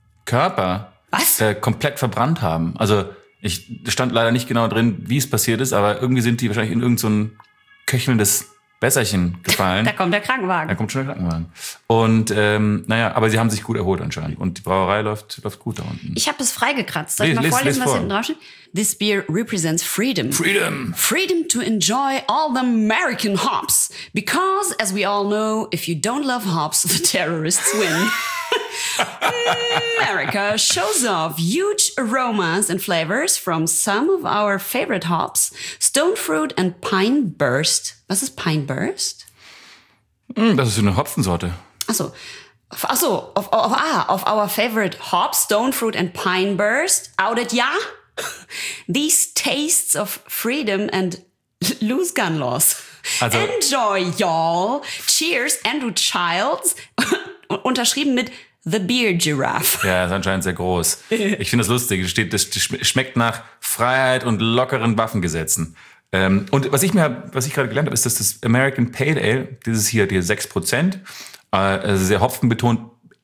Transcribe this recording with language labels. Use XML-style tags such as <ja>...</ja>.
<de>Körper komplett verbrannt haben. Also ich stand leider nicht genau drin, wie es passiert ist, aber irgendwie sind die wahrscheinlich in irgendein köchelndes Besserchen gefallen. Da kommt der Krankenwagen. Da kommt schon der Krankenwagen. Und naja, aber sie haben sich gut erholt anscheinend. Und die Brauerei läuft gut da unten. Ich habe es freigekratzt. Soll ich mal vorlesen, was hinten draufsteht?</de> <en>This beer represents freedom. Freedom. Freedom to enjoy all the American hops. Because, as we all know, if you don't love hops, the terrorists win. America shows off huge aromas and flavors from some of our favorite hops, Stone Fruit and Pine Burst.</en> <de>Was ist Pine Burst? Das ist eine Hopfensorte. Achso,</de> <en>of our favorite hops, Stone Fruit and Pine Burst. Outet ja? These tastes of freedom and loose gun laws. Also, enjoy, y'all. Cheers, Andrew Childs.</en> <de>Unterschrieben mit The Beer Giraffe. Ja, ist anscheinend sehr groß. Ich finde das lustig. Es steht, das schmeckt nach Freiheit und lockeren Waffengesetzen. Und was ich gerade gelernt habe, ist, dass das American Pale Ale, dieses hier, die 6%, sehr hopfenbetont.</de>